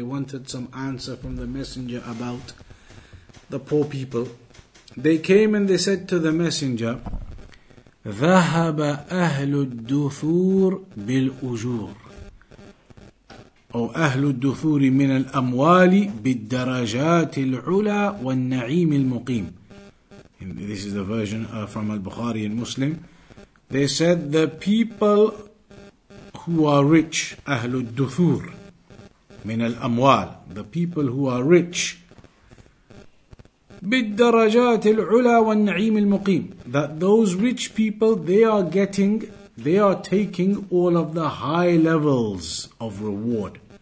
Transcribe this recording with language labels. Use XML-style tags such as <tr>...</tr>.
<en>They wanted some answer from the Messenger about the poor people. They came and they said to the Messenger,</en> <ar>ذهب أهل الدثور بالأجور أو أهل الدثور من الأموال بالدرجات العلا والنعيم المقيم.</ar> <en>This is the version from Al-Bukhari and Muslim. They said, the people who are rich,</en> <ar>أهل الدثور من الأموال,</ar> <en>the people who are rich,</en> <ar>بالدرجات العلا والنعيم المقيم,</ar> <en>that those rich people, they are taking all of the high levels of reward.</en>